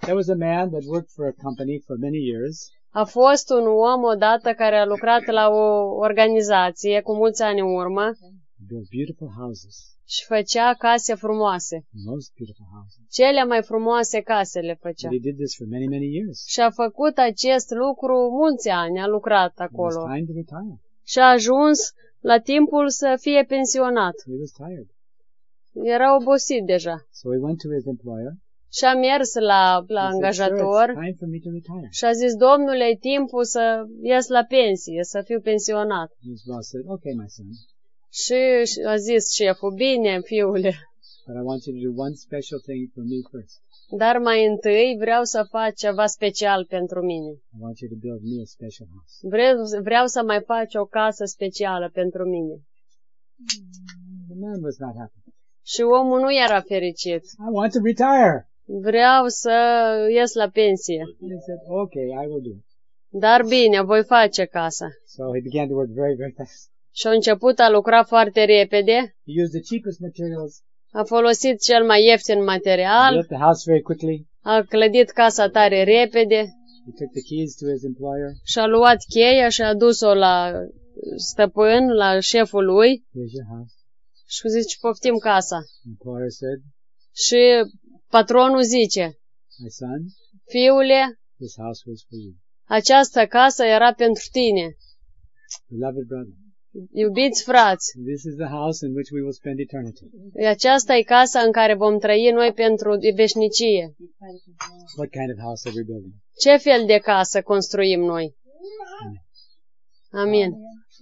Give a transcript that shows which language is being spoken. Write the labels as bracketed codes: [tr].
[en] There was a man that worked for a company for many years. [ro] A fost un om odată care a lucrat la o organizație cu mulți ani în urmă. [en] Built beautiful houses. [ro] Și făcea case frumoase. [en] Most beautiful houses. [ro] Cele mai frumoase case le făcea. [en] But he did this for many, many years. [ro] Și a făcut acest lucru mulți ani, a lucrat acolo. [en] It was time to retire. [ro] Și a ajuns la timpul să fie pensionat. [en] He was tired. [ro] Era obosit deja. [en] So he went to his employer. [ro] Și a mers la angajator. [en] Said, it's time for me to retire. [ro] Și a zis, domnule, e timpul să ies la pensie, să fiu pensionat. [en] His boss said, okay, my son. [ro] Și a zis șeful, bine, fiule. [en] But I want you to do one special thing for me first. [ro] Dar mai întâi vreau să fac ceva special pentru mine. [en] I want you to build me a special house. [ro] Vreau să mai fac o casă specială pentru mine. [en] The man was not happy. [ro] Și omul nu era fericit. [en] I want to retire. [ro] Vreau să ies la pensie. [en] He said, okay, I will do it. [ro] Dar bine, voi face casa. [en] So he began to work very, very fast. [ro] Și a început a lucra foarte repede. [en] He used the cheapest materials. [ro] A folosit cel mai ieftin material. [en] He built the house very quickly. [ro] A clădit casa tare repede. [en] He took the keys to his employer. [ro] Și a luat cheia și a dus-o la stăpân, la șeful lui. [en] Here's your house. [ro] Și a zis, poftim casa. [en] Employer said, [ro] și patronul zice, [en] my son, [ro] fiule, [en] this house was for you. [ro] Această casă era pentru tine. [en] Beloved brother. [ro] Iubiți frați, [en] this is the house in which we will spend eternity. [ro] Aceasta e casa în care vom trăi noi pentru veșnicie. [en] What kind of house are we building? [ro] Ce fel de casă construim noi? Amin.